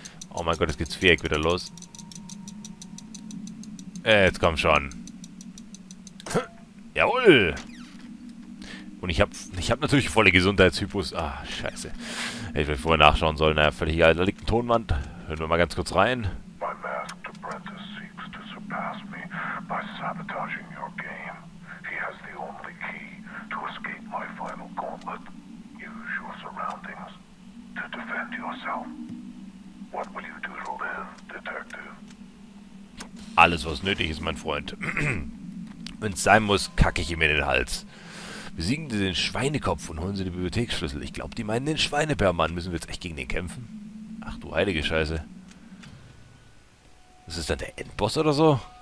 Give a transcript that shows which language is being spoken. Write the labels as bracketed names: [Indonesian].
[German] Oh mein Gott, jetzt geht's Viereck wieder los. Jetzt komm schon. Jawohl! Und ich hab natürlich volle Gesundheitshypos. Ah, scheiße. Hätte ich vorher nachschauen sollen. Naja, völlig egal. Da liegt ein Tonband. Hören wir mal ganz kurz rein. [English] My master apprentice seeks to surpass me by sabotaging your game. He has the only key to escape my final gauntlet. Use your surroundings to defend yourself. What will you do to live, detective? [German] Alles, was nötig ist, mein Freund. Wenn es sein muss, kacke ich ihm in den Hals. Besiegen Sie den Schweinekopf und holen Sie die Bibliotheksschlüssel. Ich glaube, die meinen den Schweinebärmann. Müssen wir jetzt echt gegen den kämpfen? Ach du heilige Scheiße. Ist das dann der Endboss oder so?